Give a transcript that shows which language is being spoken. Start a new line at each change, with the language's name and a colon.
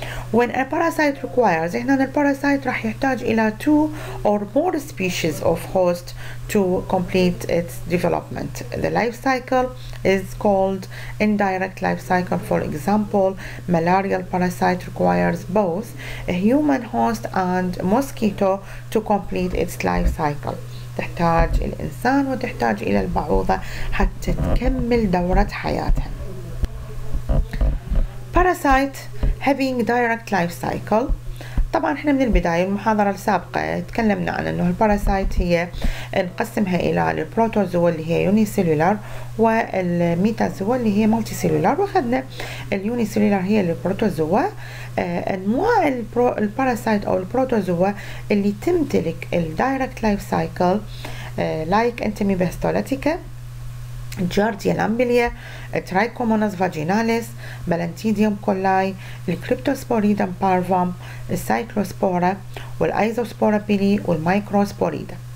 English: When a parasite requires,
Arabic: إحنا ال
English: parasite
Arabic: راح يحتاج إلى
English: two or more species of host to complete its development. The life cycle is called indirect life cycle. For example, malarial parasite requires both a human host and mosquito to complete its life cycle.
Arabic: تحتاج الإنسان وتحتاج إلى البعوضة حتى تكمل دورة حياتها.
English: Parasite having direct life cycle.
Arabic: طبعا احنا من البداية المحاضرة السابقة تكلمنا عن انه الباراسايت هي نقسمها الى البروتوزوا اللي هي يونيسيلولار والميتازوا اللي هي مالتي سيلولار، واخذنا اليونيسيلولار هي البروتوزوا. انواع الباراسايت او البروتوزوا اللي تمتلك الدايركت لايف سايكل لايك انتاميبا هيستولاتيكا، جارديا لامبليا، ترايكوموناس فاجيناليس، بلانتيديوم كولاي، الكريبتوسبوريدم بارفام، السايكلوسبورا والايزوسبورا بيلي والمايكروسبوريدا.